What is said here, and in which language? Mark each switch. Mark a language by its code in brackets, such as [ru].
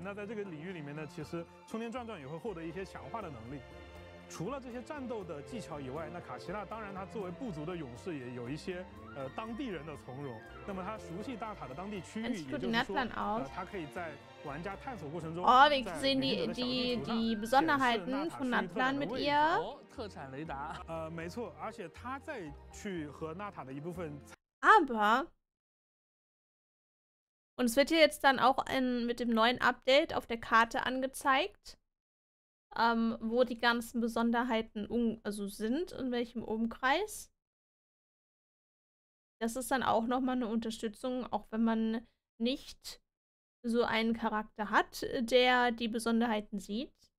[zh] 那在这个领域里面呢，其实冲天转转也会获得一些强化的能力。除了这些战斗的技巧以外，那卡奇娜当然他作为部族的勇士也有一些当地人的从容。那么他熟悉大塔的当地区域，也就是说他可以在玩家探索过程中。 [de] 哦 ，wir sehen die Besonderheiten von Natlan mit ihr。 [zh] 哦，特产雷达。没错，而且他再去和纳塔的一部分。 [de] Aber und es wird hier jetzt dann auch mit dem neuen Update auf der Karte angezeigt。 Wo die ganzen Besonderheiten also sind, in welchem Umkreis. Das ist dann auch nochmal eine Unterstützung, auch wenn man nicht so einen Charakter hat, der die Besonderheiten sieht.